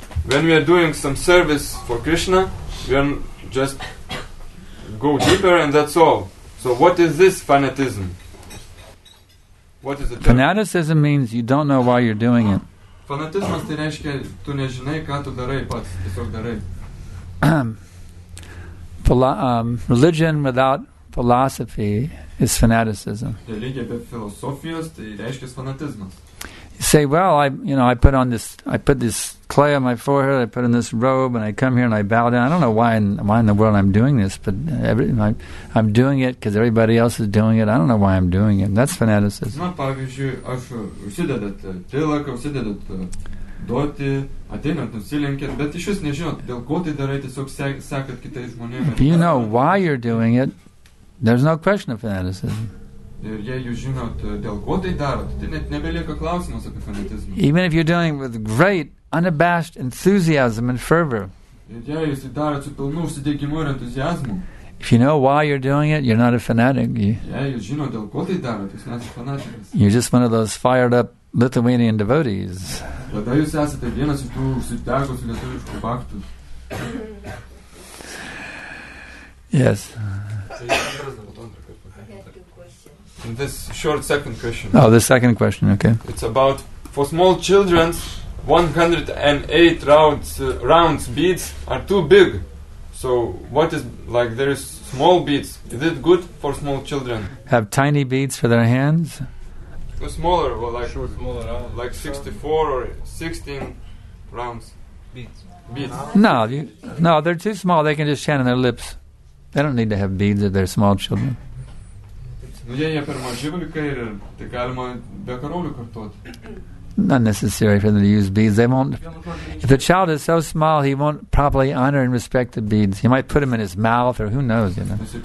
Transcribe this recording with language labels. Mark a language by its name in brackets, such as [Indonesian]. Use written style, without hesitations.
[English] When we are doing some service for Krishna, we are just go deeper and that's all. So what is this fanaticism? What is it? Fanaticism means you don't know why you're doing it. [Lithuanian] Fanaticism tai reiškia, tu nežinai, ką tu darai pats, tiesiog darai. [English] Religion without philosophy is fanaticism. [Lithuanian] Religija be filosofijos tai reiškia fanatizmas. [English] You say, well, I put this clay on my forehead, I put on this robe, and I come here and I bow down. I don't know why in the world I'm doing this, but I'm doing it because everybody else is doing it. I don't know why I'm doing it. That's fanaticism. [Lithuanian] Na, pavyzdžiui, aš užsidedat tilaką, užsidedat duoti, ateinat, nusilenkėt, bet iš vis nežinot, dėl ko tai darai, tiesiog sekat kitai žmonėmis. [English] You know why you're doing it, there's no question of fanaticism. [Lithuanian] Ir jei jūs žinot, dėl ko tai darot, tai net nebelieka klausimas apie fanatizmą. [English] Even if you're doing it with great, unabashed enthusiasm and fervor. [Lithuanian] Ir jei jūs darot su pilnu užsidegimu ir entuziazmu. [English] If you know why you're doing it, you're not a fanatic. [Lithuanian] Jei jūs žinot, dėl ko tai darot, jūs nesate fanatikas. [English] You're just one of those fired up Lithuanian devotees. [Lithuanian] Tada jūs esate vienas iš tų užsidegusių lietuviškų baktų. [English] Yes. In this short second question. Oh, the second question, okay. It's about, for small children, 108 rounds beads are too big. So what is, like, there is small beads. Is it good for small children? Have tiny beads for their hands? The smaller, well, like, sure. Smaller, like 64 or 16 rounds beads. No, they're too small. They can just chant on their lips. They don't need to have beads if they're small children. [Lithuanian] Nu, jei jie per maži vaikai, tai galima be karolių kartuoti. [English] Not necessary for them to use beads. They won't. If the child is so small, he won't properly honor and respect the beads. He might put them in his mouth, or who knows, you know.